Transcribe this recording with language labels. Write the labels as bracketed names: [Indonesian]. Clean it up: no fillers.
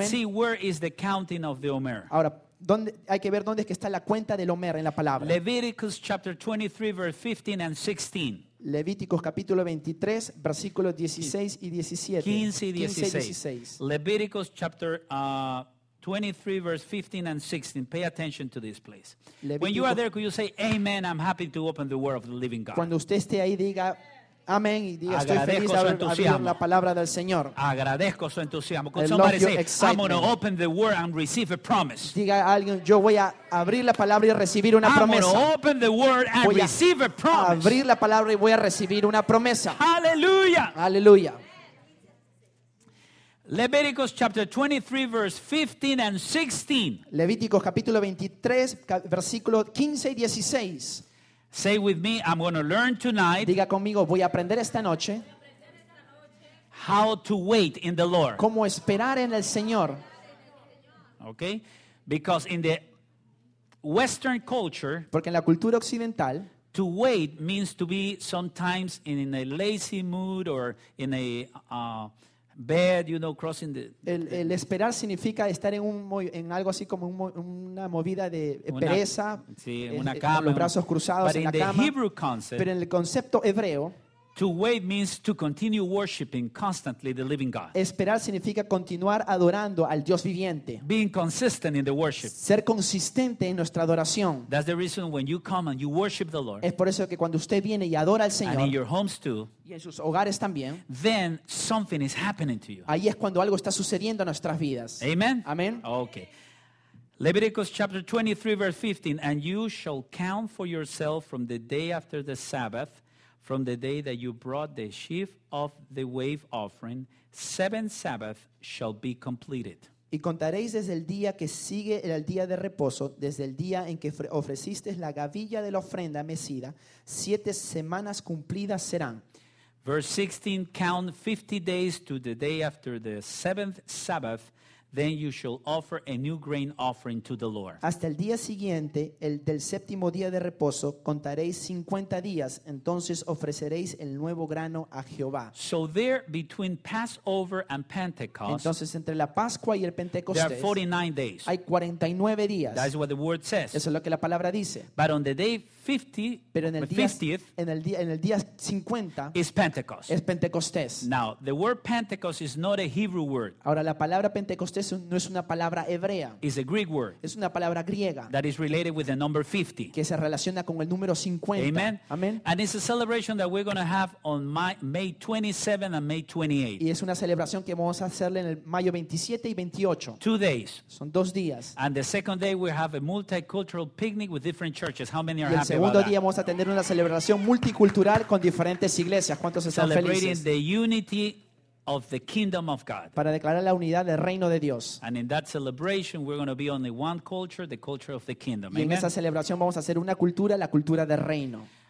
[English] Let's see where is the counting of the Omer. [Spanish] Ahora, ¿dónde hay que ver dónde es que está la cuenta del Omer en la palabra? [English] Leviticus chapter 23 verse 15 and 16. [Spanish] Levíticos capítulo 23 versículos 16 y 17. 15 y 16. [English] Leviticus chapter 23 verse 15 and 16. Pay attention to this place. When you are there, could you say amen? I'm happy to open the word of the living God. [Spanish] Cuando usted esté ahí, diga amén y diga, estoy feliz de haber abierto la palabra del Señor. Agradezco su entusiasmo. [English] Con somebody say, I'm going to open the word and receive a promise. [Spanish] Diga a alguien, yo voy a abrir la palabra y recibir una promesa. [English] I'm going to open the word and receive a promise. [Spanish] Abrir la palabra y voy a recibir una promesa. Aleluya. Aleluya. [English] Leviticus chapter 23 verse 15 and 16. [Spanish] Levíticos capítulo 23 versículo 15 y 16. [English] Say with me, I'm going to learn tonight. [Spanish] Diga conmigo, voy a aprender esta noche. [English] How to wait in the Lord. [Spanish] Cómo esperar en el Señor. [English] Okay? Because in the Western culture, [Spanish] porque en la cultura occidental, [English] to wait means to be sometimes in a lazy mood or in a bed, you know, crossing the. [Spanish] El esperar significa estar en algo así como una movida de pereza, una cama, con los brazos cruzados en la cama. [English] Hebrew concept, [Spanish] pero en el concepto hebreo, [English] to wait means to continue worshiping constantly the living God. [Spanish] Esperar significa continuar adorando al Dios viviente. [English] Being consistent in the worship. [Spanish] Ser consistente en nuestra adoración. [English] That's the reason when you come and you worship the Lord. [Spanish] Es por eso que cuando usted viene y adora al Señor. [English] And in your homes too. [Spanish] Y en sus hogares también. [English] Then something is happening to you. [Spanish] Ahí es cuando algo está sucediendo en nuestras vidas. [English] Amen. [Spanish] Amen. [English] Okay. Leviticus chapter 23 verse 15, and you shall count for yourself from the day after the Sabbath, from the day that you brought the sheaf of the wave offering, 7 Sabbaths shall be completed. [Spanish] Y contaréis desde el día que sigue el día de reposo, desde el día en que ofreciste la gavilla de la ofrenda mecida, 7 semanas cumplidas serán. [English] Verse 16, count 50 days to the day after the seventh Sabbath, Then you shall offer a new grain offering to the Lord. [Spanish] Hasta el día siguiente, el del séptimo día de reposo, contaréis 50 días, entonces ofreceréis el nuevo grano a Jehová. [English] So there between Passover and Pentecost. [Spanish] Entonces entre la Pascua y el Pentecostés. [English] There are 49 days. [Spanish] Hay 49 días. [English] That's what the word says. [Spanish] Eso es lo que la palabra dice. [English] But on the day 50, [Spanish] pero en el día 50th, en el día 50 [English] is Pentecost. [Spanish] Es Pentecostés. [English] Now, the word Pentecost is not a Hebrew word. [Spanish] Ahora la palabra Pentecostés no es una palabra hebrea. [English] It's a Greek word. [Spanish] Es una palabra griega. [English] That is related with the number 50. [Spanish] Que se relaciona con el número 50. [English] Amen. [Spanish] Amen. [English] And it's a celebration that we're going to have on May 27 and May 28. [Spanish] Y es una celebración que vamos a hacerle en el mayo 27 y 28. [English] 2 days. [Spanish] Son 2 días. [English] And the second day we have a multicultural picnic with different churches. How many are [Spanish] El segundo día vamos a tener una celebración multicultural con diferentes iglesias. ¿Cuántos están felices? [English] The unity of the kingdom of God. [Spanish] Para declarar la unidad del reino de Dios. [English] And in that celebration we're going to be only one culture, the culture of the kingdom. [Spanish] Y en [English] Amen. [Spanish] Esa celebración vamos a ser una cultura, la cultura del reino.